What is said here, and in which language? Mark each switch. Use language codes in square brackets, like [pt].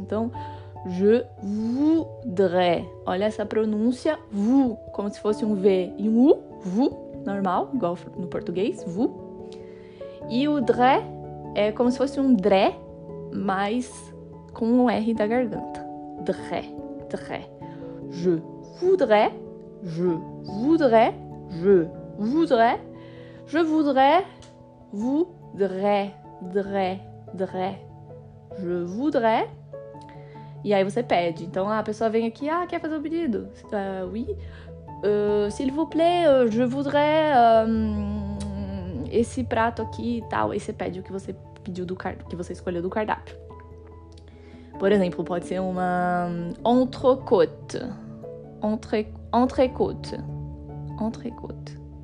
[pt] Então, [fr] je voudrais. [pt] Olha essa pronúncia, vou, como se fosse um V e um U, vou, normal, igual no português, vou. E o dré é como se fosse um dré, mas com um R da garganta. Dré, dré. [fr] Je voudrais, je voudrais, je voudrais, je voudrais, voudrais, dré, dré. Je voudrais. [pt] E aí você pede. Então a pessoa vem aqui, quer fazer um pedido? [fr] Oui. S'il vous plaît, je voudrais [pt] esse prato aqui e tal. Aí você pede o que você pediu do cardápio, que você escolheu do cardápio. Por exemplo, pode ser uma entrecôte. Entrecôte. Entrecôte.